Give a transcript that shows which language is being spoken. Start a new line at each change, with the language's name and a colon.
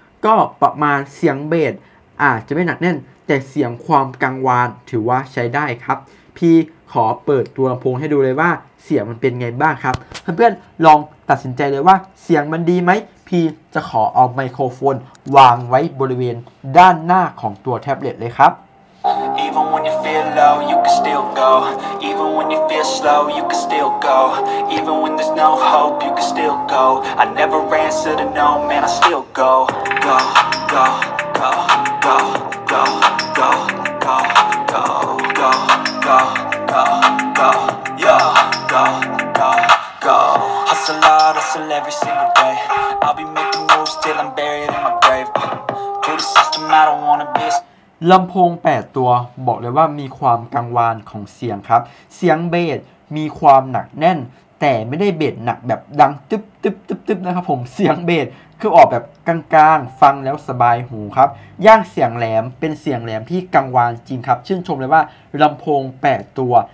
Thai: ก็ประมาณเสียงเบสอาจจะไม่หนักแน่นแต่เสียงความกังวานถือว่าใช้ได้ครับพี่ขอเปิดตัวลำโพงให้ดูเลยว่าเสียงมันเป็นไงบ้างครับเพื่อนๆลองตัดสินใจเลยว่าเสียงมันดีไหมพี่จะขอเอาไมโครโฟนวางไว้บริเวณด้านหน้าของตัวแท็บเล็ตเลยครับ
English: Even when you feel low, you can still go. Even when you feel slow, you can still go. Even when there's no hope, you can still go. I never answer to no, man, I still go. Go, go, go, go, go, go, go, go, go, go, go, go, go, go, go, go. Hustle hard, hustle every single day. I'll be making moves till I'm buried in my grave. To the system, I don't wanna be.
Thai: ลำโพง8ตัวบอกเลยว่ามีความกังวานของเสียงครับเสียงเบสมีความหนักแน่นแต่ไม่ได้เบสหนักแบบดังตึ๊บตึ๊บตึ๊บตึ๊บนะครับผมเสียงเบสคือออกแบบกลางๆฟังแล้วสบายหูครับย่างเสียงแหลมเป็นเสียงแหลมที่กังวานจริงครับชื่นชมเลยว่าลำโพง8ตัว